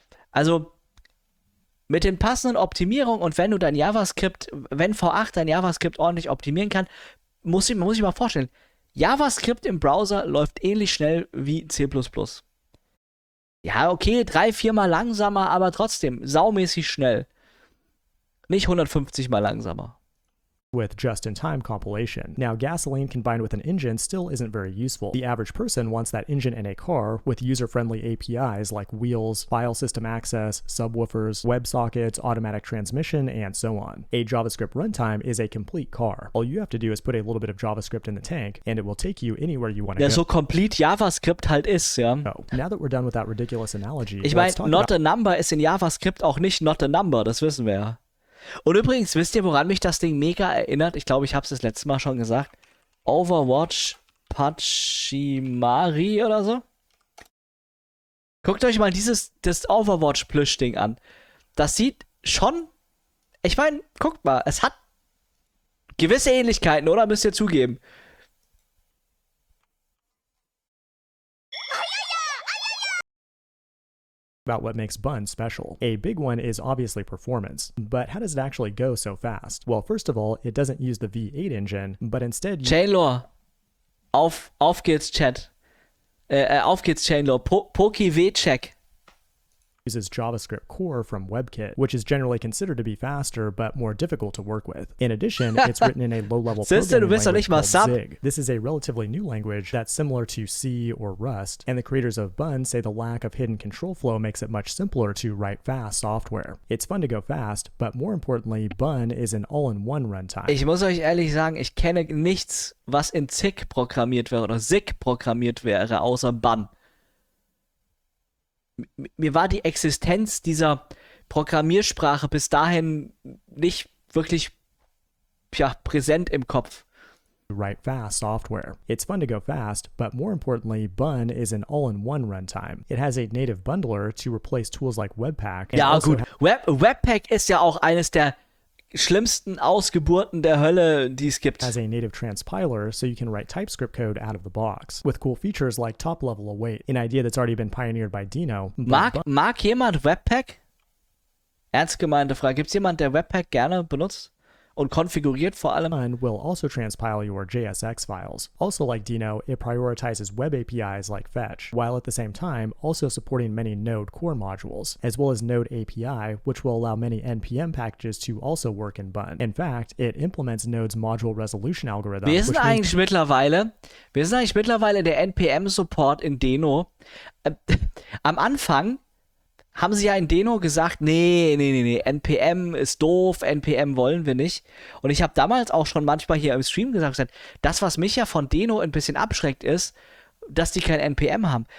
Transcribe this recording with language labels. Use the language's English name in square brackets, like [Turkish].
[German] Also, mit den passenden Optimierungen und wenn V8 dein JavaScript ordentlich optimieren kann, muss ich mal vorstellen, JavaScript im Browser läuft ähnlich schnell wie C++. Ja, okay, 3-4 Mal langsamer, aber trotzdem saumäßig schnell. Nicht 150 Mal langsamer. [English] With just-in-time compilation. Now, gasoline combined with an engine still isn't very useful. The average person wants that engine in a car with user-friendly APIs like wheels, file system access, subwoofers, WebSockets, automatic transmission, and so on. A JavaScript runtime is a complete car. All you have to do is put a little bit of JavaScript in the tank, and it will take you anywhere you want to go. [German] Ja, so complete JavaScript halt ist, ja. [English] Now that we're done with that ridiculous analogy, [German] ich meine, not a number ist in JavaScript auch nicht not a number, das wissen wir ja. Und übrigens, wisst ihr, woran mich das Ding mega erinnert? Ich glaube, ich habe es das letzte Mal schon gesagt. Overwatch Pachimari oder so? Guckt euch mal das Overwatch-Plüschding an. Das sieht schon... Ich meine, guckt mal, es hat gewisse Ähnlichkeiten, oder? Müsst ihr zugeben. [English] About what makes Bun special. A big one is obviously performance, but how does it actually go so fast? Well, first of all, it doesn't use the V8 engine, but instead... [German] Chainlore, auf geht's, Chat. Auf geht's, Chainlore. Poki V-Check. [English] Uses JavaScript Core from WebKit, which is generally considered to be faster, but more difficult to work with. In addition, it's written in a low-level programming language called Zig. This is a relatively new language that's similar to C or Rust, and the creators of Bun say the lack of hidden control flow makes it much simpler to write fast software. It's fun to go fast, but more importantly, Bun is an all-in-one runtime. [German] Ich muss euch ehrlich sagen, ich kenne nichts, was in Zig programmiert wäre oder Zig programmiert wäre, außer Bun. Mir war die Existenz dieser Programmiersprache bis dahin nicht wirklich präsent im Kopf. [English] Write fast software. It's fun to go fast, but more importantly, Bun is an all-in-one runtime. It has a native bundler to replace tools like Webpack. [German] Ja gut, Webpack ist ja auch eines der schlimmsten Ausgeburten der Hölle, die es gibt. [English] Has a native transpiler, so you can write TypeScript code out of the box. With cool features like top-level await, an idea that's already been pioneered by Dino. [German] Mag jemand Webpack? Ernst gemeinte Frage. Gibt's jemand, der Webpack gerne benutzt? Und konfiguriert vor allem. [English] Bun will also transpile your JSX files. Also like Dino, it prioritizes web APIs like Fetch, while at the same time also supporting many Node core modules, as well as Node API, which will allow many NPM packages to also work in Bun. In fact, it implements Node's module resolution algorithm. [German] Wir sind eigentlich mittlerweile der NPM-Support in Dino. Am Anfang haben sie ja in Deno gesagt, nee, NPM ist doof, NPM wollen wir nicht. Und ich habe damals auch schon manchmal hier im Stream gesagt, das, was mich ja von Deno ein bisschen abschreckt, ist, dass die kein NPM haben.